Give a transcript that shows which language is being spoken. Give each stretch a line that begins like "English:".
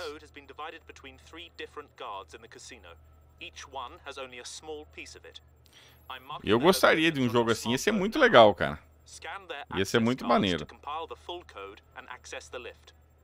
English: O code has been divided between three different guards in the casino. Each one has only a small piece of it.
Portuguese: Eu gostaria de um jogo assim, ia ser muito legal, cara. Ia ser muito maneiro.
English: Compile the full code and access the lift.